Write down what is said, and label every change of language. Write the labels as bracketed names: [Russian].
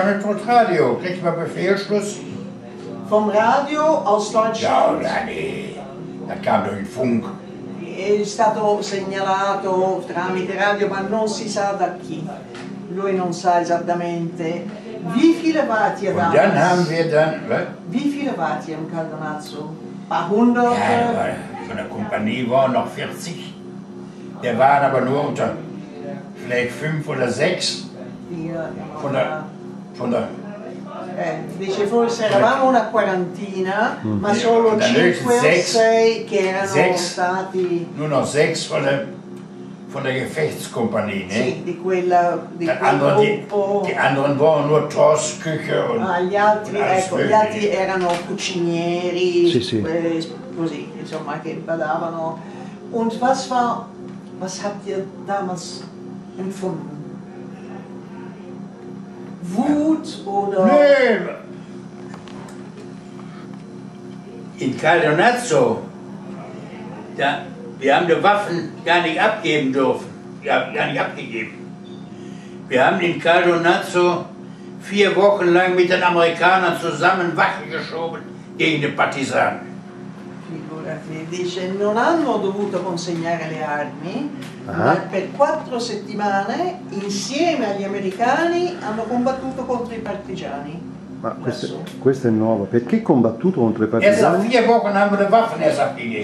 [Italian] come il contrario, che per Fehlschluss? [German] Vom Radio aus Deutschland. Da kam durch den Funk. [Italian] È stato segnalato tramite radio, ma non si sa da chi. Lui non sa esattamente. [German] Wie viele wart ihr da? Dann haben wir dann. Wie viele wart ihr im Caldonazzo? Ein paar hundert? Ja, von der Kompanie waren noch 40. Der waren aber nur unter vielleicht 5 oder 6. Von der. [Italian] Dice forse eravamo una quarantina, ma solo 5 o 6 che erano stati. [German] Nur noch 6 von der Gefechtskompanie, ne? [Italian] Sì, di quella, di gruppo. [German] Die anderen waren nur Torschküche und [Italian] gli altri, ecco, gli altri erano cucinieri, sì, sì. Così, insomma, che badavano. [German] Und was war, was habt ihr damals empfunden? Wut oder? Nee. In Caldonazzo, da, wir haben die Waffen gar nicht abgeben dürfen, gar nicht abgegeben. Wir haben in Caldonazzo 4 Wochen lang mit den Amerikanern zusammen Wache geschoben gegen die Partisanen. [Italian] Figurati, dice, non hanno dovuto consegnare le armi, ma per 4 settimane insieme agli americani hanno combattuto contro i partigiani. Ma questo è nuovo, perché combattuto contro i partigiani?